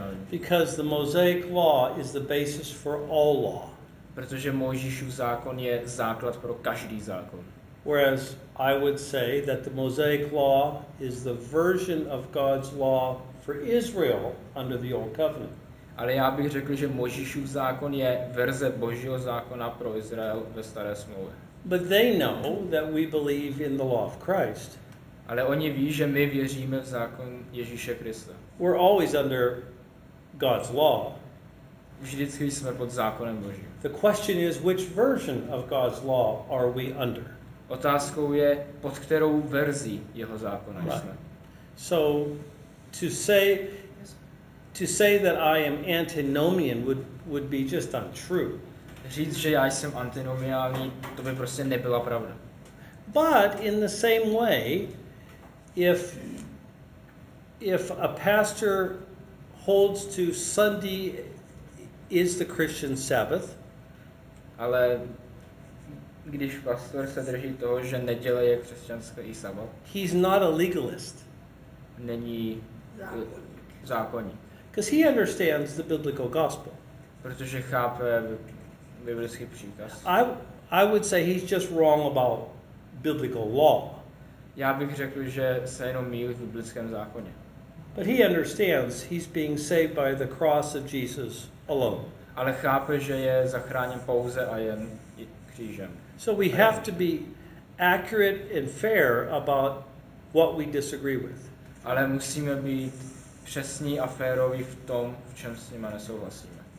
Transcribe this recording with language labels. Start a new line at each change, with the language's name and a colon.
English: Because the Mosaic law is the basis for all law.
Czech: Protože Mojžíšův zákon je základ pro každý zákon.
English: Whereas I would say that the Mosaic law is the version of God's law for Israel under the old covenant.
Czech: Ale já bych řekl, že Mojžíšův zákon je verze Božího zákona pro Izrael ve staré smlouvě.
English: But they know that we believe in the law of Christ.
Czech: Ale oni ví, že my věříme v zákon Ježíše Krista.
English: We're always under God's law.
Czech: Vždycky jsme pod zákonem Božím.
English: The question is which version of God's law are we under?
Czech: Otázkou je, pod kterou verzi jeho zákona jsme.
English: Right. So to say that I am antinomian would be just untrue.
Czech: Říct, že já jsem antinomiální, to by prostě nebyla pravda.
English: But in the same way, if a pastor holds to Sunday is the Christian Sabbath,
Czech: ale když pastor se drží toho, že neděle je křesťanský sabat.
English: He's not a legalist.
Czech: Není zákonník.
English: Because he understands the biblical gospel.
Czech: Protože chápe biblický příkaz.
English: I would say he's just wrong about biblical law.
Czech: Já bych řekl, že se jenom mýlí v biblickém zákoně.
English: But he understands he's being saved by the cross of Jesus alone.
Czech: Ale chápe, že je zachráněn pouze a jen křížem.
English: So we have to be accurate and fair about what we disagree with.
Czech: Ale musíme být přesní a féroví v tom, v čem s nima nesouhlasíme.